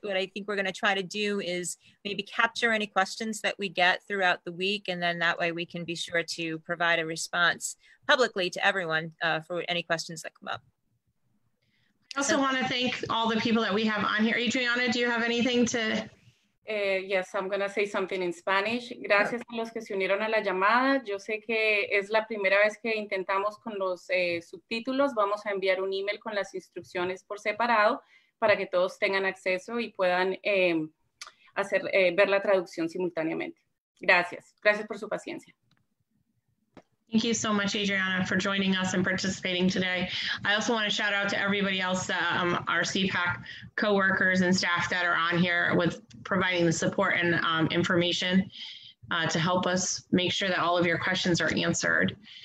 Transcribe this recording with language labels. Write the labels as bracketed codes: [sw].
[en] What I think we're going to try to do is maybe capture any questions that we get throughout the week. And then that way we can be sure to provide a response publicly to everyone for any questions that come up. I also want to thank all the people that we have on here. Adriana, do you have anything to? Yes, I'm going to say something in Spanish. [es] Gracias a los que se unieron a la llamada. Yo sé que es la primera vez que intentamos con los subtítulos. Vamos a enviar un email con las instrucciones por separado para que todos tengan acceso y puedan ver la traducción simultáneamente. Gracias. Gracias por su paciencia. [en] Thank you so much, Adriana, for joining us and participating today. I also want to shout out to everybody else, our CPAC coworkers and staff that are on here with providing the support and information to help us make sure that all of your questions are answered.